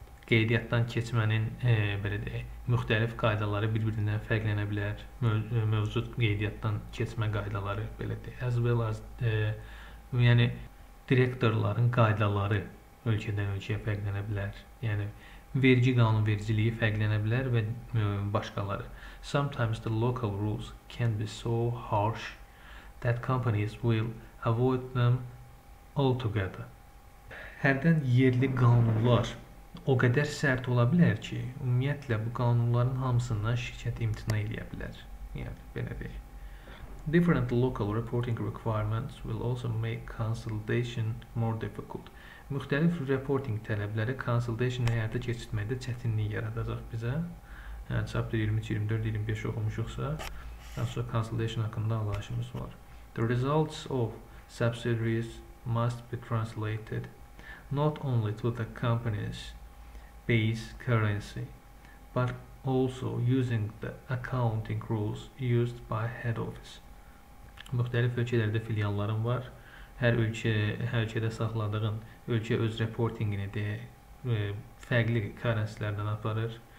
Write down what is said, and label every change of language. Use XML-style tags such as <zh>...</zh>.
<az>Qeydiyyatdan keçmənin belə deyək, müxtəlif qaydaları bir-birindən fərqlənə bilər. Mövcud qeydiyyatdan keçmə qaydaları belə deyək.</az> <en>As well as</en> <az>yəni direktorların qaydaları ölkədən ölkəyə fərqlənə bilər. Yəni vergi qanunvericiliyi fərqlənə bilər və başqaları.</az> <en>Sometimes the local rules can be so harsh that companies will avoid them altogether.</en> <az>Hərdən yerli qanunlar o qədər sərt ola bilər ki, ümumiyyətlə bu qanunların hamısından şirkət imtina edə bilər. Yəni belə deyək.</az> <en>Different local reporting requirements will also make consolidation more difficult.</en> <az>Müxtəlif reporting tələbləri consolidation həyata keçirməkdə çətinlik yaradacaq bizə. Yəni chapter 23, 24, 25 oxumuşuqsa, daha sonra consolidation haqqında anlayışımız var.</az> <en>The results of subsidiaries must be translated not only to the company's base currency, but also using the accounting rules used by head office.</en> <az>Müxtəlif ölkələrdə filialların var. Hər ölkədə saxladığın ölkə öz reportingini deyə fərqli currency-lərdən aparır.</az>